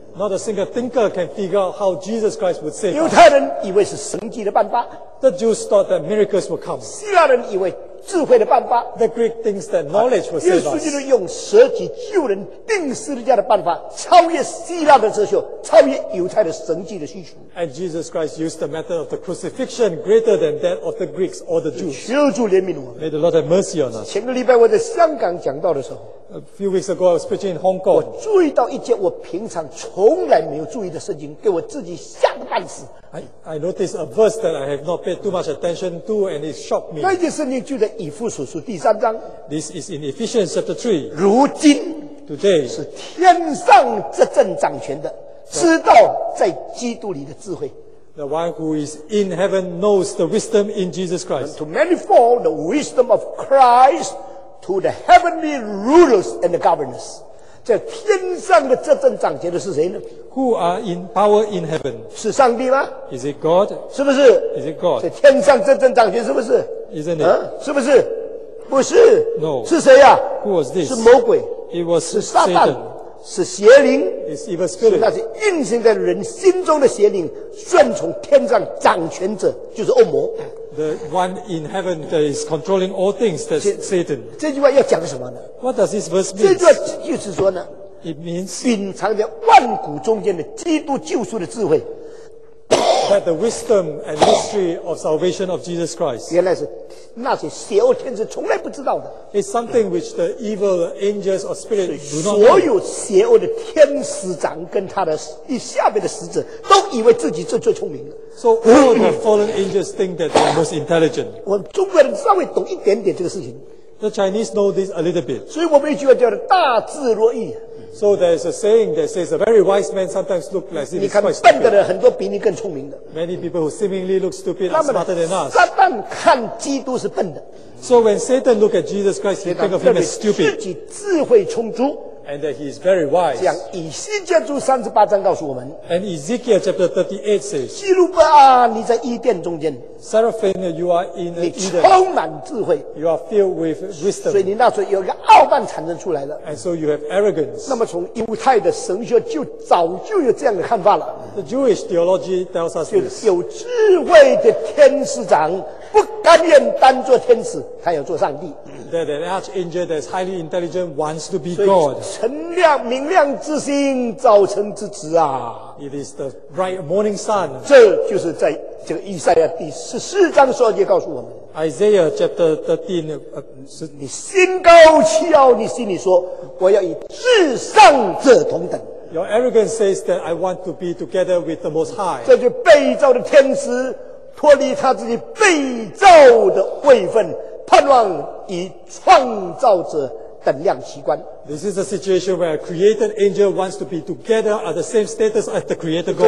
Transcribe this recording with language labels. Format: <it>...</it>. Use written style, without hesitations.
<en>Not a single thinker can figure out how Jesus Christ would save.</en> <zh>犹太人以为是神迹的办法。</zh> <en>The Jews thought that miracles would come.</en> <zh>希腊人以为智慧的办法。</zh> <en>The Greek thinks that knowledge will save us.</en> <zh>耶稣基督用舍己救人、钉十字架的办法，超越希腊的哲学，超越犹太的神迹的需求。</zh> <en>And Jesus Christ used the method of the crucifixion greater than that of the Greeks or the Jews.</en> <zh>求主怜悯我。</zh> <en>May the Lord have mercy on us.</en> <zh>前个礼拜我在香港讲道的时候。</zh> <en>A few weeks ago, I was preaching in Hong Kong.</en> <zh>我注意到一件我平常从来没有注意的事情，给我自己吓得半死。</zh> <en>I noticed a verse that I have not paid too much attention to, and it shocked me.</en> <zh>那件事情就在以弗所书第三章。</zh> <en>This is in Ephesians chapter 3.</en> <zh>如今</zh> <en>，today</en> <zh>是天上执政掌权的，知道在基督里的智慧。</zh> <en>The one who is in heaven knows the wisdom in Jesus Christ. And to manifold the wisdom of Christ. To the heavenly rulers and the governors.</en> <zh>这天上的执政掌权的是谁呢？</zh> <en>Who are in power in heaven?</en> <zh>是上帝吗？</zh> <en>Is it God?</en> <zh>是不是？</zh> <en>Is it God?</en> <zh>这天上执政掌权是不是？</zh> <en>Isn't it?</en> <zh>是不是？不是。</zh> <en>No.</en> <zh>是谁啊？</zh> <en>Who was this?</en> <zh>是魔鬼。</zh> <en>It was Satan.</en> <zh>是撒旦。是邪灵。</zh> <en>It's evil spirit.</en> <zh>是那些运行在人心中的邪灵，顺从天上掌权者，就是恶魔。</zh> <en>The one in heaven that is controlling all things, that's Satan.</en> <zh>这句话要讲什么呢？</zh> <en>What does this verse mean?</en> <zh>这句话就是说呢，</zh> <en>It means</en> <zh>隐藏在万古中间的基督救赎的智慧。</zh> <en>That the wisdom and mystery of salvation of Jesus Christ.</en> <zh>原来是那些邪恶天使从来不知道的。</zh> <en>It's something which the evil angels or spirits do not know.</en> <zh>所有邪恶的天使长跟他的以下面的使者都以为自己是最聪明的。</zh> <en>So all the fallen angels think that they're most intelligent.</en> <zh>我们中国人稍微懂一点点这个事情。</zh> <en>The Chinese know this a little bit.</en> <zh>所以我们一句话叫做大智若愚。</zh> <en>So there's a saying that says a very wise man sometimes looks like he's quite stupid.</en> <zh>你看笨的人很多比你更聪明的。</zh> <en>Many people who seemingly look stupid are smarter than us.</en> <zh>撒旦看基督是笨的。</zh> <en>So when Satan looks at Jesus Christ, he thinks of him as stupid.</en> <zh>自己智慧充足。</zh> <en>And that he is very wise.</en> <zh>这样以西结书三十八章告诉我们。</zh> <en>And Ezekiel chapter 38 says.</en> <zh>基路伯啊，你在伊甸中间。</zh> <en>Seraphim, you are in Eden.</en> <zh>你充满智慧。</zh> <en>You are filled with wisdom.</en> <zh>所以你那时候有一个傲慢产生出来了。</zh> <en>And so you have arrogance.</en> <zh>那么从犹太的神学就早就有这样的看法了。</zh> <en>The Jewish theology tells us this.</en> <zh>就有智慧的天使长不甘愿当做天使，他要做上帝。</zh> <en>That an archangel that is highly intelligent wants to be God.</en> <zh>明亮之星，早晨之子啊。</zh> <en>It is the bright morning sun.</en> <zh>这就是在这个以赛亚第十四章说也告诉我们。</zh> <en>Isaiah chapter 13,</en> <zh>是你心高气傲，你心里说，我要与至上者同等。</zh> <en>Your arrogance says that I want to be together with the Most High.</en> <zh>这就被造的天使脱离他自己被造的位分，盼望以创造者等量齐观。</zh> <en>This is a situation where a created angel wants to be together at the same status as the creator God.</en>